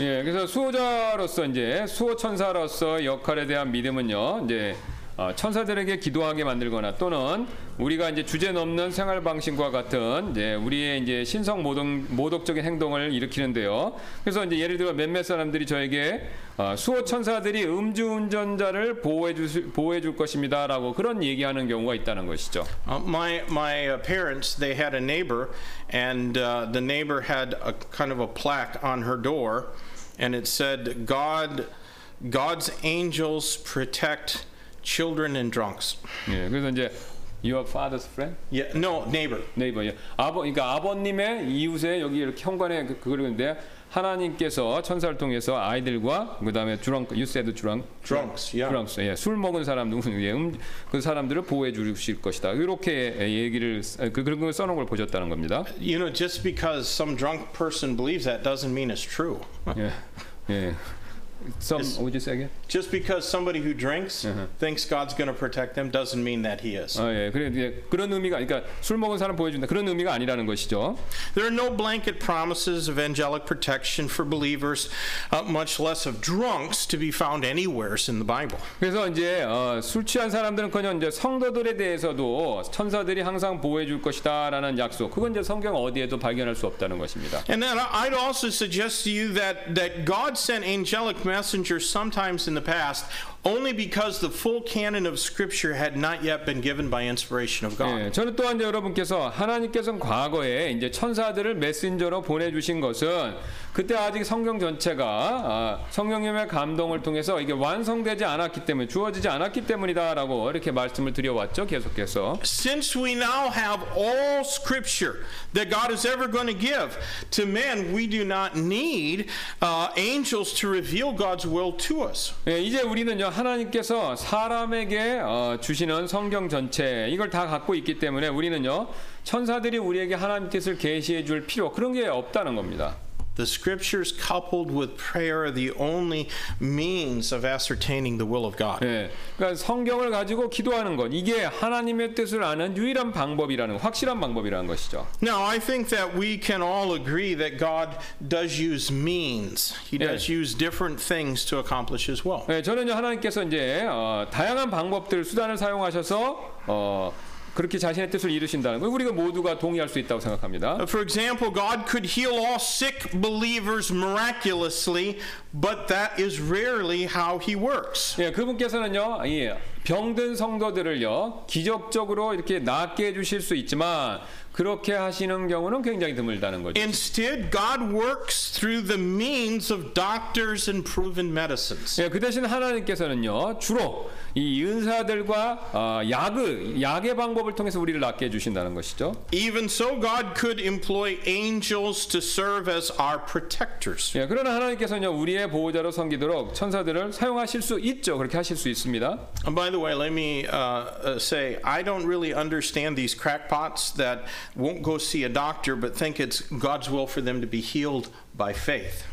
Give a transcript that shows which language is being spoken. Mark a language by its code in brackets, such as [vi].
[ko] 예, 그래서 수호자로서 이제 수호 천사로서 역할에 대한 믿음은요. 이제 천사들에게 기도하게 만들거나 또는 우리가 이제 주제 넘는 생활 방식과 같은 이제 우리의 이제 신성 모독적인 행동을 일으키는데요. 그래서 이제 예를 들어 몇몇 사람들이 저에게 수호 천사들이 음주운전자를 보호해 줄 것입니다라고 그런 얘기하는 경우가 있다는 것이죠. [en] My parents they had a neighbor and the neighbor had a kind of a plaque on her door and it said God's angels protect children and drunks. [ko] 예, 그래서 이제 [en] your father's friend? Yeah, no, neighbor. Neighbor. 예. [ko] 그러니까 아버님의 이웃에 여기 이렇게 현관에 그러는데 하나님께서 천사를 통해서 아이들과 그다음에 drunks. [en] Yeah. Drunks. 예. [ko] 술 먹은 사람 누구에게 그 사람들을 보호해 주실 것이다. 이렇게 얘기를 그런 걸 써 놓은 걸 보셨다는 겁니다. [en] You know, just because some drunk person believes that doesn't mean it's true. 예. 예. What would you say again? Just because somebody who drinks thinks God's going to protect them doesn't mean that he is. [ko] 아, 예. 그런 의미가 그러니까 술 먹은 사람 보여준다. 그런 의미가 아니라는 것이죠. [en] There are no blanket promises of angelic protection for believers, much less of drunks to be found anywhere in the Bible. [ko] 그래서 이제 술 취한 사람들은 그냥 이제 성도들에 대해서도 천사들이 항상 보호해 줄 것이다라는 약속. 그건 이제 성경 어디에도 발견할 수 없다는 것입니다. [en] And then I'd also suggest to you that God sent angelic messengers sometimes in the past only because the full canon of scripture had not yet been given by inspiration of God. [ko] 예, 저는 또한 여러분께서 하나님께서 과거에 이제 천사들을 메신저로 보내주신 것은 그때 아직 성경 전체가 성령님의 감동을 통해서 이게 완성되지 않았기 때문에 주어지지 않았기 때문이다라고 이렇게 말씀을 드려왔죠 계속해서. [en] Since we now have all scripture that God is ever going to give to man, we do not need angels to reveal God's will to us. [ko] 예, 이제 우리는 하나님께서 사람에게 주시는 성경 전체 이걸 다 갖고 있기 때문에 우리는요 천사들이 우리에게 하나님 뜻을 계시해 줄 필요 그런 게 없다는 겁니다. [en] The scriptures coupled with prayer are the only means of ascertaining the will of God. [ko] 예, 그러니까 성경을 가지고 기도하는 것 이게 하나님의 뜻을 아는 유일한 방법이라는 확실한 방법이라는 것이죠. [en] Now I think that we can all agree that God does use means. He does 예. use different things to accomplish His will. [ko] 예, 저는요 하나님께서 이제 다양한 방법들 수단을 사용하셔서 그렇게 자신의 뜻을 이루신다는 거 우리가 모두가 동의할 수 있다고 생각합니다. [en] For example, God could heal all sick believers miraculously, but that is rarely how he works. [ko] 예, 그분께서는요. 예. 병든 성도들을요 기적적으로 이렇게 낫게 해주실 수 있지만 그렇게 하시는 경우는 굉장히 드물다는 거죠. [en] Instead, God works through the means of doctors and proven medicines. [ko] 예, 그 대신 하나님께서는요 주로 이 은사들과 약의 방법을 통해서 우리를 낫게 해주신다는 것이죠. [en] Even so, God could employ angels to serve as our protectors. [ko] 예, 그러나 하나님께서는요 우리의 보호자로 섬기도록 천사들을 사용하실 수 있죠. 그렇게 하실 수 있습니다. [en] And by the way, let me say, I don't really understand these crackpots that won't go see a doctor but think it's God's will for them to be healed by faith.